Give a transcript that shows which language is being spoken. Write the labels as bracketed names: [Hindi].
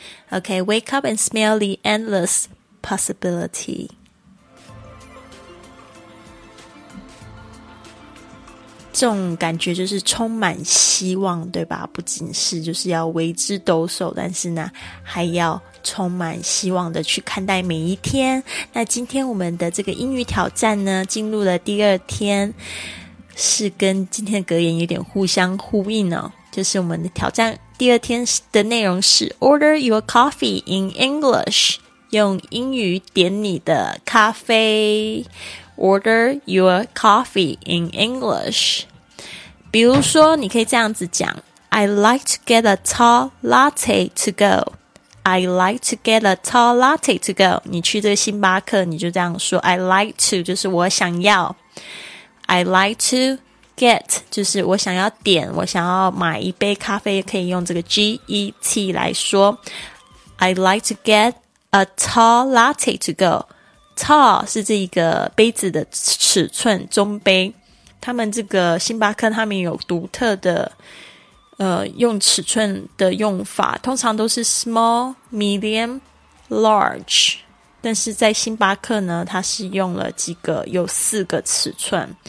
[English] OK, wake up and smell the endless possibility. [Chinese] 这种感觉就是充满希望，对吧？不仅是就是要为之抖擞，但是呢还要充满希望的去看待每一天。那今天我们的这个英语挑战呢进入了第二天，是跟今天的格言有点互相呼应哦。就是我们的挑战第二天的内容是 [English] Order your coffee in English, [Chinese] 用英语点你的咖啡。 [English] Order your coffee in English. [Chinese] 比如说你可以这样子讲， [English] I like to get a tall latte to go. I like to get a tall latte to go. [Chinese] 你去这个星巴克你就这样说， I like to 就是我想要， I like to get 就是我想要点，我想要买一杯咖啡，可以用这个 get 来说。 [English] I like to get a tall latte to goTall [Chinese] 是这一个杯子的尺寸，中杯。他们这个星巴克他们有独特的用尺寸的用法，通常都是 small, medium, large。但是在星巴克呢，它是用了几个，有四个尺寸。